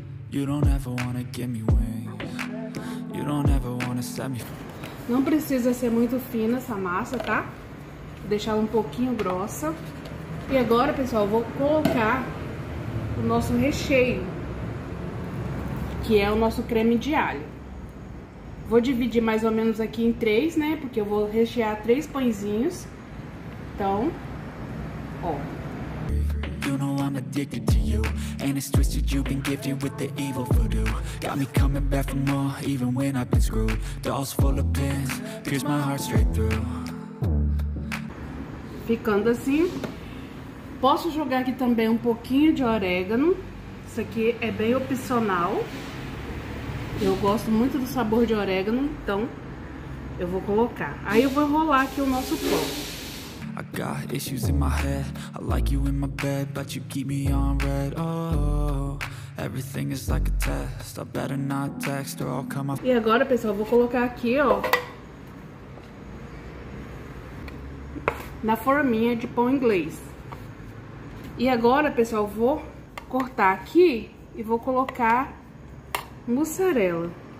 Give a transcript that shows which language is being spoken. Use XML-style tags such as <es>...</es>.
<en>You don't ever wanna give me wings. You don't ever wanna set me.</en> <pt>Não precisa ser muito fina essa massa, tá? Vou deixar ela um pouquinho grossa. E agora, pessoal, vou colocar o nosso recheio, que é o nosso creme de alho. Vou dividir mais ou menos aqui em 3, né? Porque eu vou rechear 3 pãezinhos. Então, ó.</pt> <en>You know I'm addicted to you. And it's twisted, you've been gifted with the evil voodoo. Got me coming back for more, even when I've been screwed. Dolls full of pins, pierce my heart straight through.</en> <pt>Ficando assim, posso jogar aqui também um pouquinho de orégano. Isso aqui é bem opcional. Eu gosto muito do sabor de orégano, então eu vou colocar. Aí eu vou enrolar aqui o nosso pão.</pt> <en>I got issues in my head. I like you in my bed, but you keep me on red. Oh, everything is like a test. I better not text or I'll come up.</en> <pt>E agora, pessoal, eu vou colocar aqui, ó, na forminha de pão inglês. E agora, pessoal, eu vou cortar aqui e vou colocar mussarela.</pt>